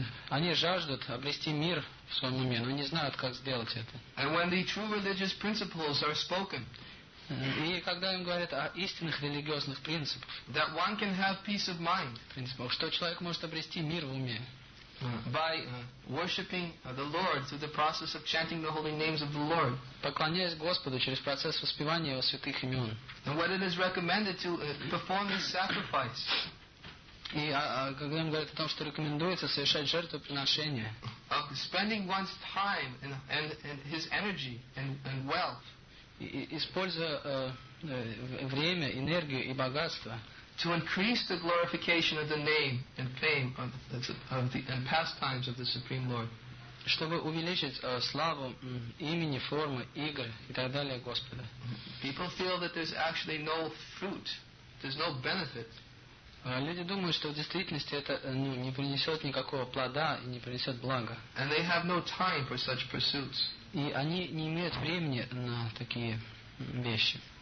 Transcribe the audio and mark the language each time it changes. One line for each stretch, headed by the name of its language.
Russian: Они жаждут обрести мир в своем уме, но не знают, как сделать это.
English: And when the true religious principles are spoken,
Russian: и когда им говорят о истинных религиозных принципах,
English: that one can have peace of mind,
Russian: принципах, что человек может обрести мир в уме,
English: by worshiping the Lord through the process of chanting the holy names of the Lord,
Russian: поклоняясь Господу через процесс воспевания его святых имен,
English: and when it is recommended to perform this sacrifice,
Russian: и когда им говорят о том, что рекомендуется совершать жертвоприношение,
English: of spending one's time and his energy and wealth,
Russian: используя время, энергию и богатство,
English: to increase the glorification of the name and fame of the and pastimes of the Supreme Lord,
Russian: чтобы увеличить славу имени, формы, игр и так далее Господа.
English: People feel that there's actually no fruit, there's no benefit.
Russian: Люди думают, что в действительности это не принесет никакого плода и не принесет блага.
English: And they have no time for such pursuits.
Russian: И они не имеют времени на такие вещи.